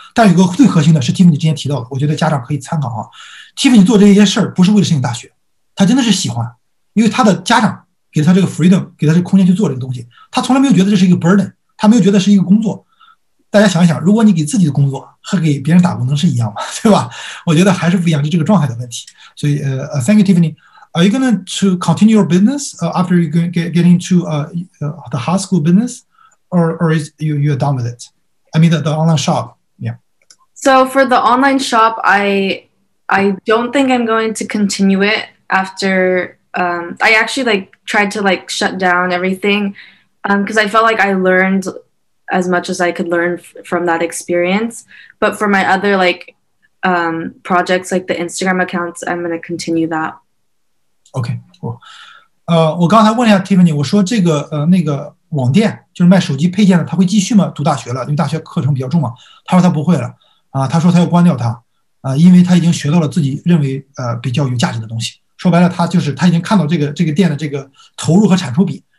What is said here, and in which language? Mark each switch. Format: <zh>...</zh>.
<zh>但有个最核心的是 Tiffany 之前提到的，我觉得家长可以参考啊。Tiffany 做这些事儿不是为了申请大学，他真的是喜欢，因为他的家长给他这个 freedom， 给他这个空间去做这个东西，他从来没有觉得这是一个 burden， 他没有觉得是一个工作。大家想一想，如果你给自己的工作和给别人打工能是一样吗？对吧？我觉得还是不一样，就这个状态的问题。</zh> <en>所以thank you Tiffany， are you going to continue your business after you get into the high school business， or is you are done with it？ I mean the online shop， yeah。 So for the online shop， I don't think I'm going to continue it afterI actually like tried to like shut down everything because I felt like I learned as much as I could learn from that experience. But for my other like projects, like the Instagram accounts, I'm going to continue that. Okay, cool.</en> <zh>我刚才问一下 Tiffany， 我说这个那个网店就是卖手机配件的，他会继续吗？读大学了，因为大学课程比较重嘛。他说他不会了啊，他说他要关掉它啊，因为他已经学到了自己认为比较有价值的东西。说白了他就是他已经看到这个店的这个投入和产出比。</zh>